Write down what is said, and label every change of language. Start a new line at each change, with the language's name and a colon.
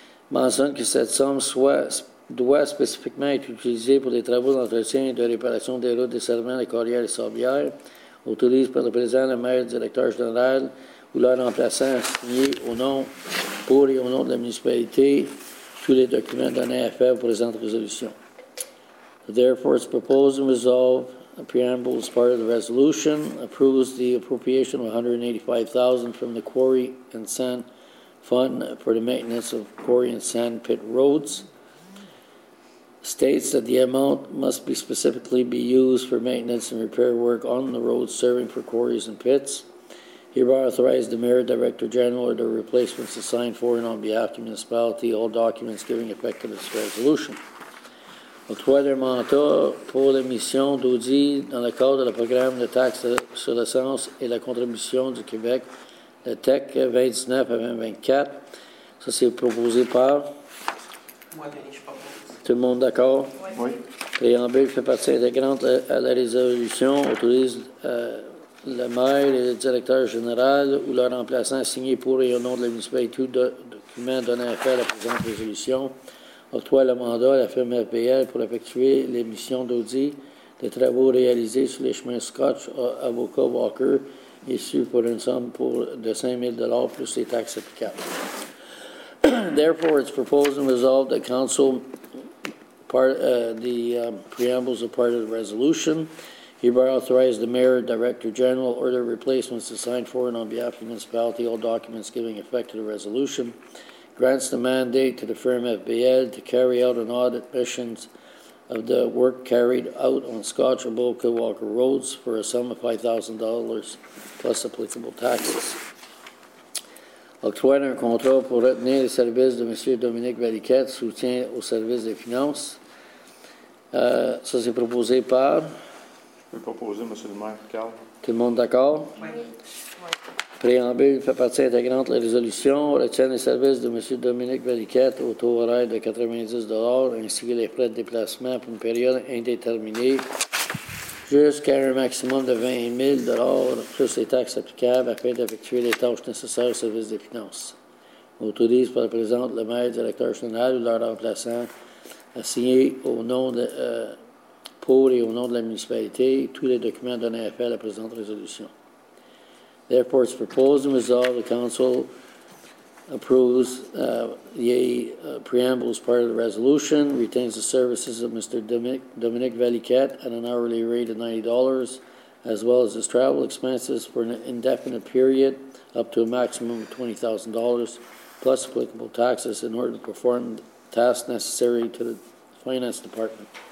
French: Mentionne que cette somme doit spécifiquement être utilisée pour les travaux d'entretien et de réparation des routes desservant les Carrières et Sorbières. Autorise par le président, le maire, le directeur général ou leur remplaçant à signer au nom, pour et au nom de la municipalité, tous les documents donnés à faire aux présentes résolutions.
English: Therefore, it's proposed and resolved. The preamble is part of the resolution. Approves the appropriation of $185,000 from the Quarry and Sand Fund for the maintenance of quarry and sand pit roads. States that the amount must be specifically be used for maintenance and repair work on the roads serving for quarries and pits. Hereby authorize the mayor, director general, or the replacements to sign for and on behalf of the municipality all documents giving effect to this resolution.
French: Octroi de mandat pour la mission d'audit dans le cadre de le programme de taxes sur l'essence et la contribution du Québec. Le TEC 29 à 2024, ça c'est proposé par? Moi, Denis, je propose. Tout le monde d'accord? Oui. Préambule fait partie intégrante à la résolution, autorise le maire et le directeur général ou leur remplaçant à signer pour et au nom de la municipalité tout document donné à faire la présente résolution. Octroie le mandat à la firme FBL pour effectuer les missions d'audit des travaux réalisés sur les chemins Scotch à Avocat Walker, issus pour une somme de 5 000 $ plus les taxes applicables.
English: Therefore, it's proposed and resolved that council preambles a part of the resolution. Hereby authorize the mayor, director general, order replacements assigned for and on behalf of the municipality, all documents giving effect to the resolution. Grants the mandate to the firm FBL to carry out an audit missions of the work carried out on Scotch Avocat Walker Roads for a sum of $5,000 plus applicable taxes.
French: Octroyer un contrat pour retenir les services de M. Dominique Valiquette, soutien au service des finances. Ça, c'est proposé par. Proposer, M. le maire, Carl. Tout le monde d'accord? Oui. Préambule fait partie intégrante de la résolution. On retient les services de M. Dominique Valiquette au taux horaire de $90 ainsi que les frais de déplacement pour une période indéterminée jusqu'à un maximum de $20 000 plus les taxes applicables afin d'effectuer les tâches nécessaires au service des finances. On autorise par la présente le maire, directeur général ou leur remplaçant à signer au nom de. Pour et au nom de la municipalité, tous les documents donnés à faire la présente résolution.
English: Therefore, it's proposed and resolved the council approves preambles part of the resolution, retains the services of Mr. Dominique Valiquette at an hourly rate of $90, as well as his travel expenses for an indefinite period up to a maximum of $20,000 plus applicable taxes in order to perform tasks necessary to the finance department.